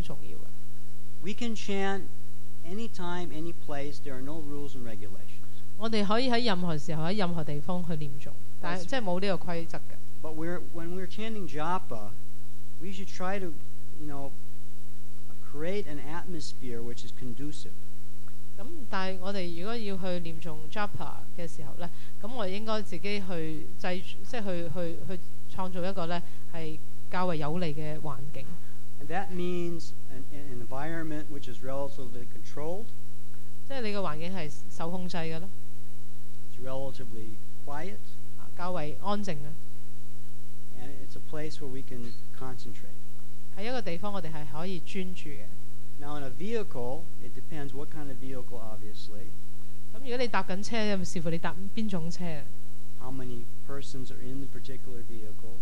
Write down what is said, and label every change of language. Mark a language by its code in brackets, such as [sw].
[yue] 咁所以我話咧，環境都係好重要嘅。 [en] We can chant anytime, any place. There are no rules and regulations. [yue] 我哋可以喺任何時候喺任何地方去念誦。 [en] But when we're chanting japa, we should try to, you know, create an atmosphere which is conducive. [yue] 咁但係我哋如果要去念誦 japa 嘅時候咧，咁我應該自己去創造一個咧係較為有利嘅環境。 [en] And that means an environment which is relatively controlled. [yue] 即係你個環境係受控制嘅咯。 [en] It's relatively quiet. And it's a place where we can concentrate. [yue] 係一個地方，我哋係可以專注嘅。 [en] Now in a vehicle, it depends what kind of vehicle, obviously. [yue] 咁如果你搭緊車，視乎你搭邊種車。 [en] How many persons are in the particular vehicle?